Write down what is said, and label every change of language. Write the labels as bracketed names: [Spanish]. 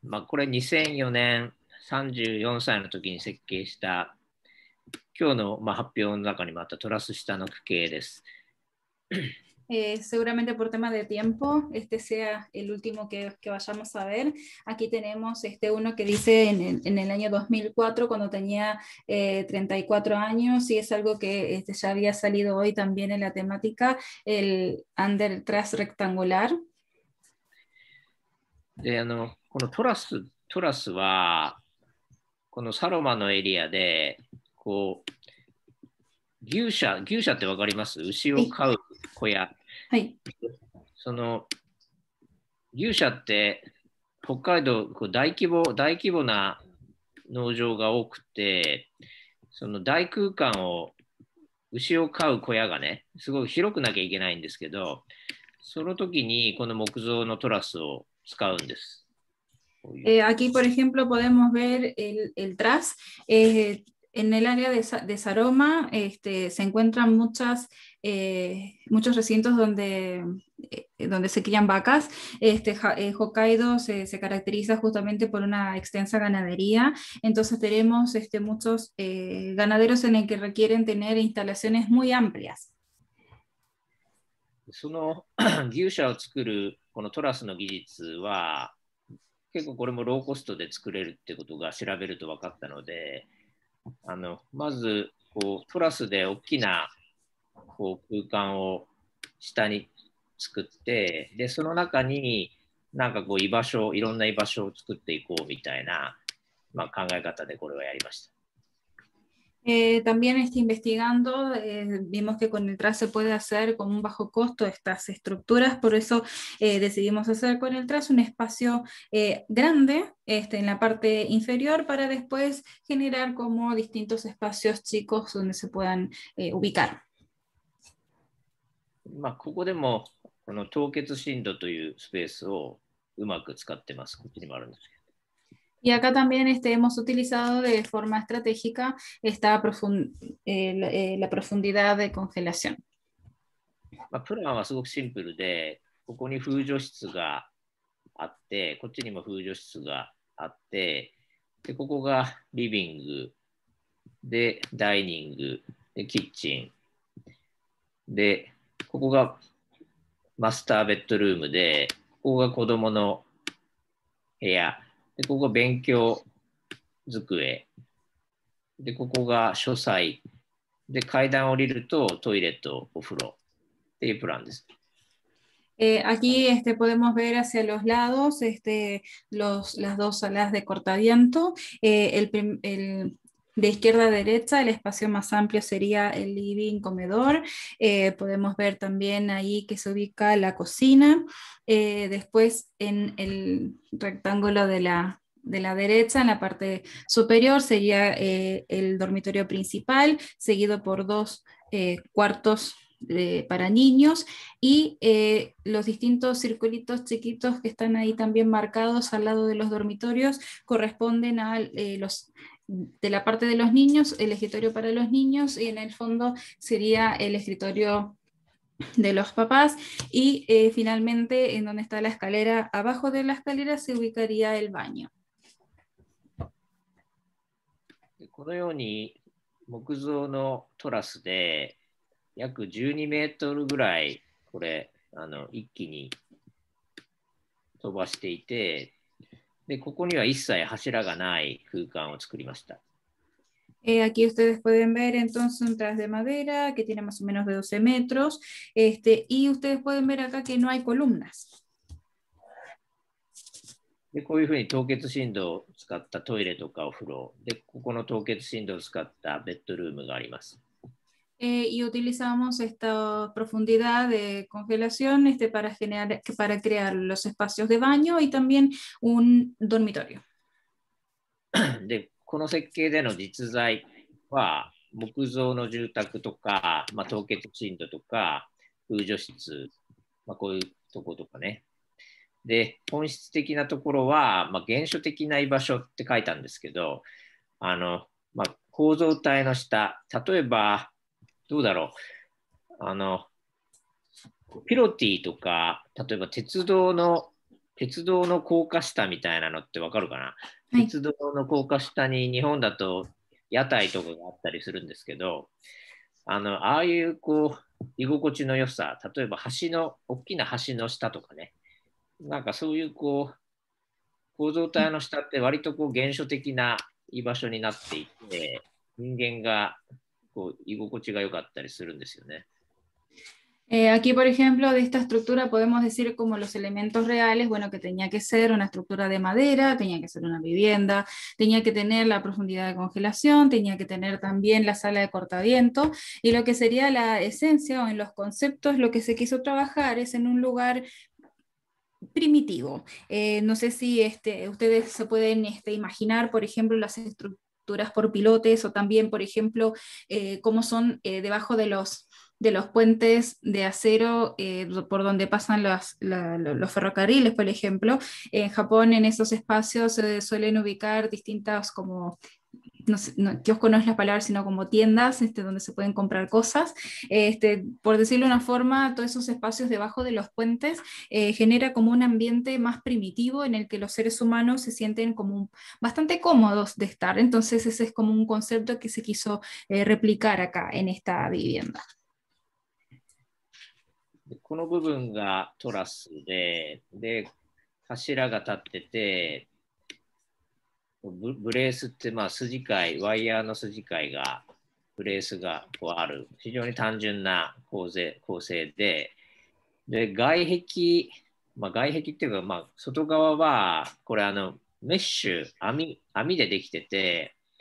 [Japanese] まあ、これ2004年34歳の時に設計した今日の、まあ、発表の中にもあったトラス下の区形です。 [Spanish] Seguramente por tema de tiempo, sea el último que vayamos a ver. Aquí tenemos uno que dice en el año 2004, cuando tenía 34 años, y es algo que ya había salido hoy también en la temática, el under truss rectangular. [Japanese] このトラスはこのサロマのエリアで、こう牛舎、牛舎ってわかります？牛を飼う小屋。はい。その牛舎って北海道こう大規模な農場が多くて、その大空間を牛を飼う小屋がね、すごく広くなきゃいけないんですけど、その時にこの木造のトラスを使うんです。 [Spanish] Aquí, por ejemplo, podemos ver el tras. En el área de Saroma se encuentran muchos recintos donde se crían vacas. Hokkaido se caracteriza justamente por una extensa ganadería. Entonces tenemos muchos ganaderos en el que requieren tener instalaciones muy amplias. [Japanese] その牛舎を作るこのトラスの技術は結構これもローコストで作れるってことが調べると分かったので、まずこうトラスで大きなこう空間を下に作って、でその中になんかこう居場所、いろんな居場所を作っていこうみたいな、まあ、考え方でこれはやりました。 [Spanish] También investigando, vimos que con el tras se puede hacer con un bajo costo estas estructuras, por eso decidimos hacer con el tras un espacio grande en la parte inferior para después generar como distintos espacios chicos donde se puedan ubicar. [Japanese] まあここでもこの凍結深度というスペースをうまく使ってます。こっちにもあるんですけど。 [Spanish] Y acá también hemos utilizado de forma estratégica esta la profundidad de congelación. El plan es muy simple. [Japanese] De, ここに風除室があって、こっちにも風除室があって、でここがリビングでダイニングでキッチンでここがマスターベッドルームで、ここが子供の部屋。でここが勉強机で、ここが書斎で、階段を降りるとトイレとお風呂っていうプランです。 [Spanish] Aquí podemos ver hacia los lados las dos salas de cortadiento. El de izquierda a derecha, el espacio más amplio sería el living, comedor. Podemos ver también ahí que se ubica la cocina. Después en el rectángulo de la derecha, en la parte superior, sería el dormitorio principal, seguido por dos cuartos para niños y los distintos circulitos chiquitos que están ahí también marcados al lado de los dormitorios corresponden a los de la parte de los niños, el escritorio para los niños y en el fondo sería el escritorio de los papás y finalmente en donde está la escalera, abajo de la escalera se ubicaría el baño. [Japanese] このように木造のトラスで約12メートルぐらいこれ一気に飛ばしていて、でここには一切柱がない空間を作りました。 [Spanish] Aquí ustedes pueden ver entonces un tras de madera que tiene más o menos de 12 metros. Y ustedes pueden ver acá que no hay columnas. [Japanese] でこういうふうに凍結深度を使ったトイレとかお風呂で、ここの凍結深度を使ったベッドルームがあります。 [Spanish] Y utilizamos esta profundidad de congelación para crear los espacios de baño y también un dormitorio. [Japanese] でこの設計での実在は木造の住宅とか、まあ、凍結深度とか風除室、まあ、こういうとことかね。で本質的なところは、まあ、原初的な居場所って書いたんですけど、まあ、構造体の下、例えばどうだろう、ピロティとか、例えば鉄道の高架下みたいなのってわかるかな、はい、鉄道の高架下に日本だと屋台とかがあったりするんですけど、ああいうこう居心地の良さ、例えば橋の大きな橋の下とかね、なんかそういうこう構造体の下って割とこう原初的な居場所になっていて、人間がこう居心地が良かったりするんですよね。 [Spanish] Aquí, por ejemplo, de esta estructura podemos decir como los elementos reales, bueno, que tenía que ser una estructura de madera, tenía que ser una vivienda, tenía que tener la profundidad de congelación, tenía que tener también la sala de cortaviento, y lo que sería la esencia o en los conceptos lo que se quiso trabajar es en un lugar primitivo. No sé si ustedes se pueden imaginar, por ejemplo, las estructuras por pilotes o también, por ejemplo, cómo son debajo de los puentes de acero por donde pasan los ferrocarriles, por ejemplo. En Japón, en esos espacios se suelen ubicar distintas, como, no sé, no, kiosco no es la palabra, sino como tiendas donde se pueden comprar cosas. Por decirlo de una forma, todos esos espacios debajo de los puentes genera como un ambiente más primitivo en el que los seres humanos se sienten como bastante cómodos de estar. Entonces ese es como un concepto que se quiso replicar acá en esta vivienda. [Japanese] この部分がトラスで、で、柱が立ってて、ブレースってまあ筋交い、ワイヤーの筋交いが、ブレースがこうある、非常に単純な構成で、で、外壁、まあ外壁っていうか、まあ外側は、これメッシュ、網でできてて、